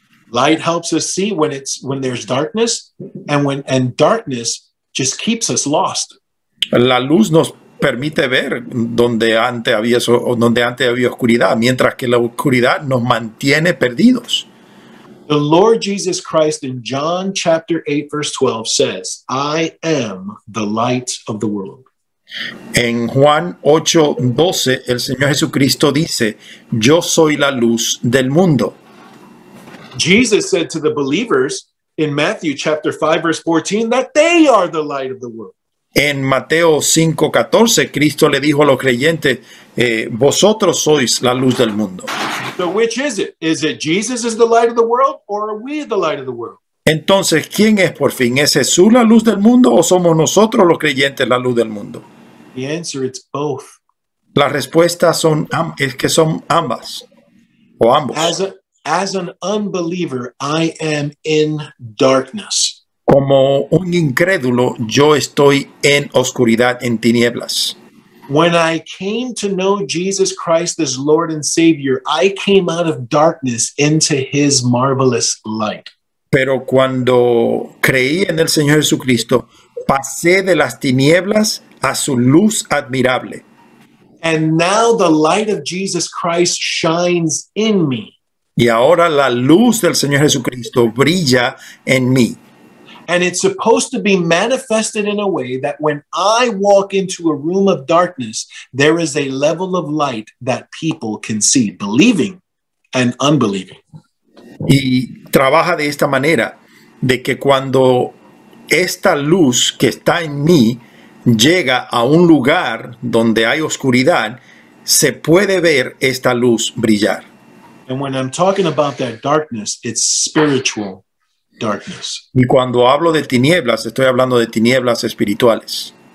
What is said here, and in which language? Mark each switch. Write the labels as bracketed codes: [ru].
[en] Light helps us see when there's darkness and darkness just keeps us lost. [es] La luz nos permite ver donde antes había oscuridad, mientras que la oscuridad nos mantiene perdidos. [en] The Lord Jesus Christ in John chapter 8 verse 12 says, I am the light of the world. [es] En Juan 8:12, el Señor Jesucristo dice, yo soy la luz del mundo. [en] Jesus said to the believers in Matthew chapter 5 verse 14 that they are the light of the world. [es] En Mateo 5:14, Cristo le dijo a los creyentes, vosotros sois la luz del mundo. [en] So which is it? Is it Jesus is the light of the world, or are we the light of the world? [es] Entonces, ¿quién es por fin? ¿Es Jesús la luz del mundo, o somos nosotros los creyentes la luz del mundo? [en] The answer, it's both. [es] La respuesta son, es que son ambas, o ambos. [en] As an unbeliever, I am in darkness. [es] Como un incrédulo, yo estoy en oscuridad, en tinieblas. [en] When I came to know Jesus Christ as Lord and Savior, I came out of darkness into his marvelous light. [es] Pero cuando creí en el Señor Jesucristo, pasé de las tinieblas a su luz admirable. [en] And now the light of Jesus Christ shines in me. [es] Y ahora la luz del Señor Jesucristo brilla en mí. [en] And it's supposed to be manifested in a way that when I walk into a room of darkness, there is a level of light that people can see, believing and unbelieving. [es] Y trabaja de esta manera, de que cuando esta luz que está en mí llega a un lugar donde hay oscuridad, se puede ver esta luz brillar. [en] And when I'm talking about that darkness, it's spiritual darkness. [es] Y cuando hablo de tinieblas, estoy hablando de tinieblas espirituales.